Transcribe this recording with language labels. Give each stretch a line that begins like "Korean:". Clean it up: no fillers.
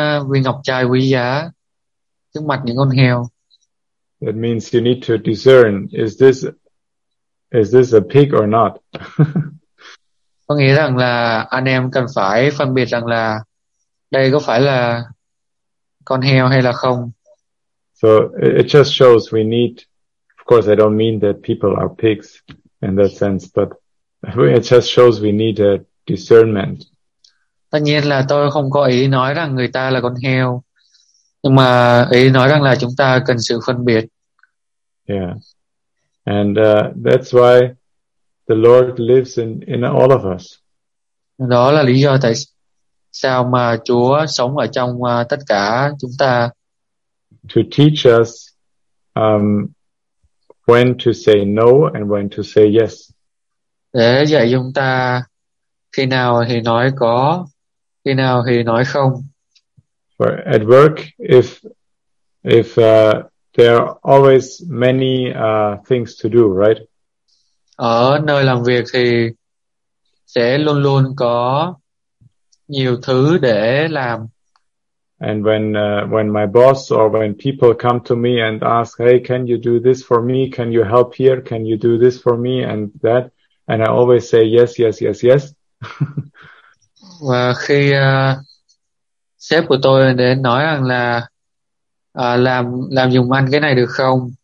Vietnamese: Viên ngọc chai quý giá trước mặt những con heo.
English: That means you need to discern, is this a pig or not?
Vietnamese: Có nghĩa rằng là anh em cần phải phân biệt rằng là đây có phải là con heo hay là không.
English: So it just shows we need, of course I don't mean that people are pigs in that sense, but it just shows we need a discernment.
Vietnamese: Tất nhiên là tôi không có ý nói rằng người ta là con heo, nhưng mà ý nói rằng là chúng ta cần sự phân biệt.
English: Yeah. And that's why the Lord lives in all of us.
Vietnamese: Đó là lý do tại sao mà Chúa sống ở trong tất cả chúng ta.
English: To teach us when to say no and when to say yes.
Vietnamese: Để dạy chúng ta khi nào thì nói có, Khi nào thì nói không.
English: For at work, if there are always many things to do, right?
Vietnamese: Ở nơi làm việc thì sẽ luôn luôn có nhiều thứ để làm.
English: And when my boss or when people come to me and ask, hey, can you do this for me? Can you help here? Can you do this for me and that? And I always say yes, yes, yes, yes.
Vietnamese: Và khi sếp của tôi đến nói rằng là làm dùng anh cái này được không?